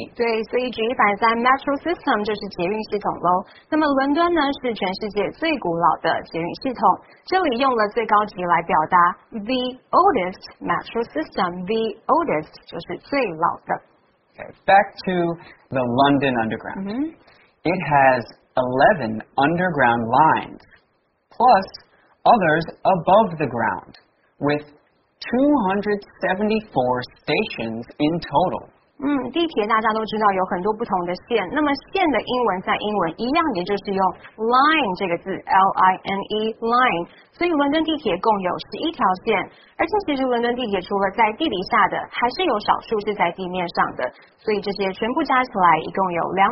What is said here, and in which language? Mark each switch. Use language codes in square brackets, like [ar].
[zh] 对，所以举一反三 ,metro system 就是捷运系统咯。那么伦敦呢是全世界最古老的捷运系统。这里用了最高级来表达 [en] the oldest metro system, [zh] the oldest 就是最老的。 [en] Okay, back to the London Underground. It has 11 underground lines, plus others above the ground, with 274 stations in total. [zh] 地铁大家都知道有很多不同的线那么线的英文在英文一样也就是用 line 这个字 L-I-N-E line 所以伦敦地铁共有11条线而且其实伦敦地铁除了在地底下的还是有少数是在地面上的所以这些全部加起来一共有